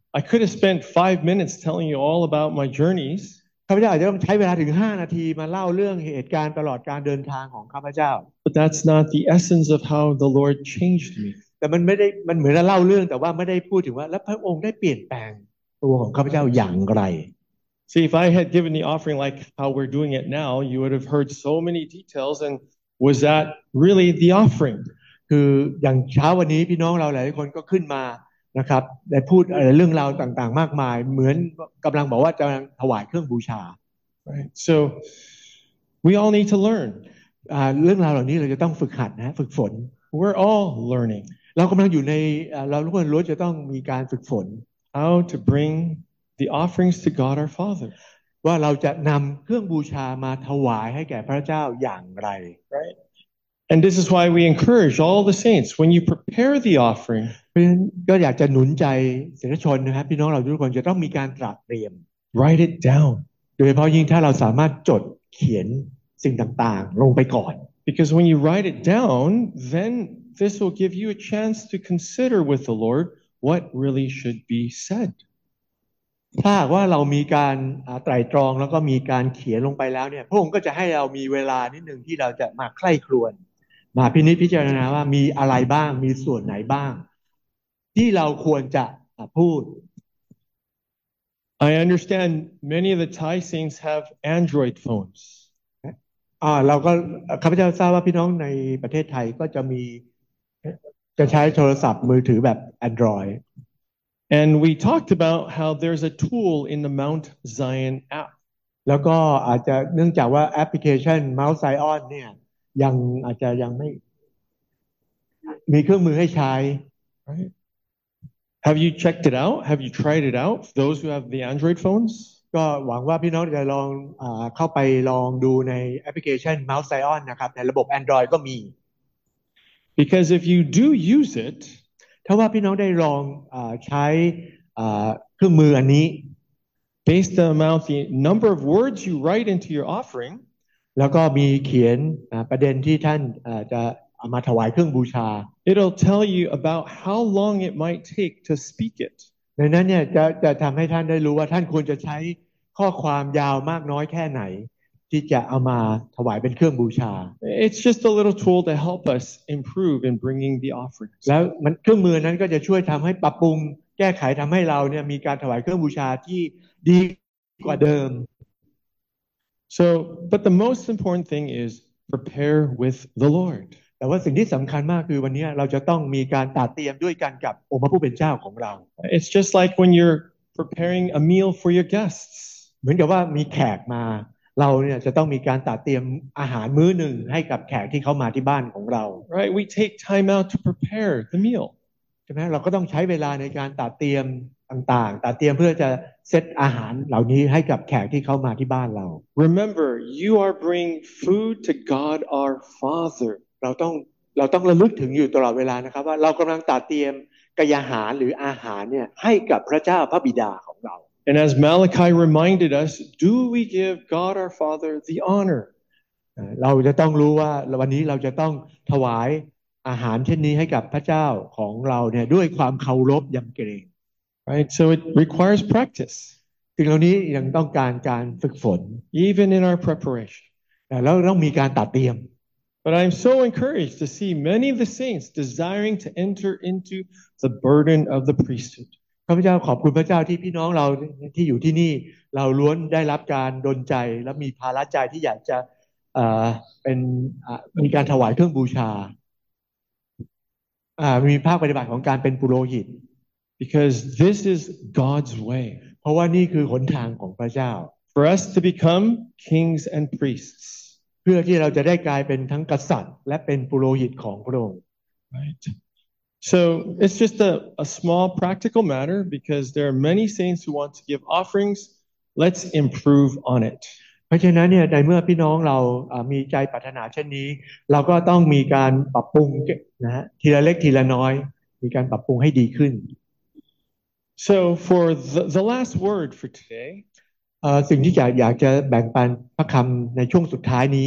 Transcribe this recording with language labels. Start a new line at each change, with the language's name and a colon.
English: I could have spent 5 minutes telling you all about my journeys
Thai: ข้าพเจ้าอาจจะต้องใช้เวลาถึง5นาทีมาเล่าเรื่องเหตุการณ์ตลอดการเดินทางของข้าพเจ้า
English: But that's not the essence of how the Lord changed me
Thai: แต่มันไม่ได้มันเหมือนเล่าเรื่องแต่ว่าไม่ได้พูดถึงว่าแล้วพระองค์ได้เปลี่ยนแปลงตัวของข้าพเจ้าอย่างไร
English: See if I had given the offering like how we're doing it now you would have heard so many details and was that really the offering
Thai: คืออย่างเช้าวันนี้พี่น้องเราหลายคนก็ขึ้นมานะครับได้พูดอะไรเรื่องราวต่างๆมากมายเหมือนกำลังบอกว่ากำลังถวายเครื่องบูชา
English: Right so we all need to learn
Thai: เรื่องราวเหล่านี้เราจะต้องฝึกหัดนะฝึกฝน
English: We're all learning
Thai: เรากำลังอยู่ในเราทุกคนล้วนจะต้องมีการฝึกฝน
English: How to bring the offerings to God our Father
Thai: ว่าเราจะนำเครื่องบูชามาถวายให้แก่พระเจ้าอย่างไร
English: Right And this is why we encourage all the saints when you prepare the offering
Thai: ก็อยากจะหนุนใจสาธุชนนะครับพี่น้องเราทุกคนจะต้องมีการตรัสเตรียม
English: Write it down
Thai: โดยเฉพาะยิ่งถ้าเราสามารถจดเขียนสิ่งต่างๆลงไปก่อน
English: Because when you write it down thenThis will give you a chance to consider with the Lord what really should be said.
Thai: ถ้าว่าเรามีการไตร่ตรองแล้วก็มีการเขียนลงไปแล้วเนี่ยพระองค์ก็จะให้เรามีเวลานิดนึงที่เราจะมาใคร่ครวญมาพินิจพิจารณาว่ามีอะไรบ้างมีส่วนไหนบ้างที่เราควรจะพูด
English: I understand many of the Thai saints have Android phones.
Thai: เราก็ข้าพเจ้าทราบว่าพี่น้องในประเทศไทยก็จะมีจะใช้โทรศัพท์มือถือแบบ Android
English: and we talked about how there's a tool in the Mount Zion app
Thai: แล้วก็อาจจะเนื่องจากว่าแอปพลิเคชัน Mount Zion เนี่ยยังอาจจะยังไม่มีเครื่องมือให้ใช้
English: right. Have you checked it out? Have you tried it out? For those who have the Android phones?
Thai: ก็หวังว่าพี่น้องจะลองเข้าไปลองดูในแอปพลิเคชัน Mount Zion นะครับในระบบ Android ก็มี
English: Because if you do use it
Thai: ถ้าว่าพี่น้องได้ลองใช้เครื่องมืออันนี้
English: Based on amount, the number of words you write into your offering
Thai: แล้วก็มีเขียนประเด็นที่ท่านจะเอามาถวายเครื่องบูชา
English: It'll tell you about how long it might take to speak it
Thai: ในนั้นเนี่ยจะทำให้ท่านได้รู้ว่าท่านควรจะใช้ข้อความยาวมากน้อยแค่ไหนที่จะเอามาถวายเป็นเครื่องบูชา
English: It's just a little tool to help us improve in bringing the offerings
Thai: แล้วมันเครื่องมือนั้นก็จะช่วยทำให้ปรับปรุงแก้ไขทำให้เราเนี่ยมีการถวายเครื่องบูชาที่ดีกว่าเดิม
English: So but the most important thing is prepare with the Lord
Thai: แต่ว่าสิ่งที่สำคัญมากคือวันนี้เราจะต้องมีการตัดเตรียมด้วยกันกับองค์พระผู้เป็นเจ้าของเรา
English: It's just like when you're preparing a meal for your guests
Thai: เหมือนกับว่ามีแขกมาเราเนี่ยจะต้องมีการตัดเตรียมอาหารมื้อหนึ่งให้กับแขกที่เข้ามาที่บ้านของเรา
English: Right we take time out to prepare the meal
Thai: ใช่ไหมเราก็ต้องใช้เวลาในการตัดเตรียมต่างๆตัดเตรียมเพื่อจะเซตอาหารเหล่านี้ให้กับแขกที่เข้ามาที่บ้านเรา
English: Remember you are bringing food to God our Father
Thai: เราต้องระลึกถึงอยู่ตลอดเวลานะครับว่าเรากำลังตัดเตรียมกายอาหารหรืออาหารเนี่ยให้กับพระเจ้าพระบิดาของเรา
English: And as Malachi reminded us do we give God our Father the honor
Thai: เราจะต้องรู้ว่าวันนี้เราจะต้องถวายอาหารเช่นนี้ให้กับพระเจ้าของเราเนี่ยด้วยความเคารพยำเกรง
English: Right so it requires practice
Thai: ถึงเหล่านี้ยังต้องการฝึกฝน
English: even in our preparation
Thai: แล้วต้องมีการตัดเตรียม
English: But I'm so encouraged to see many of the saints desiring to enter into the burden of the priesthood.
Thai: ข้าพเจ้าขอบคุณพระเจ้าที่พี่น้องเราที่อยู่ที่นี่เราล้วนได้รับการดลใจและมีภาระใจที่อยากจะเป็นมีการถวายเครื่องบูชามีภาคปฏิบัติของการเป็นปุโรหิต
English: Because this is God's way.
Thai: เพราะว่านี่คือหนทางของพระเจ้า
English: For us to become kings and priests.
Thai: เพื่อที่เราจะได้กลายเป็นทั้งกษัตริย์และเป็นปุโรหิตของพระองค์
English: Right. So it's just a small practical matter because there are many saints who want to give offerings. Let's improve on it.
Thai: เพราะฉะนั้นเนี่ยในเมื่อพี่น้องเรามีใจปรารถนาเช่นนี้เราก็ต้องมีการปรับปรุงนะฮะทีละเล็กทีละน้อยมีการปรับปรุงให้ดีขึ้น
English: So for the last word for today,
Thai: สิ่งที่อยากจะแบ่งปันพระคำในช่วงสุดท้ายนี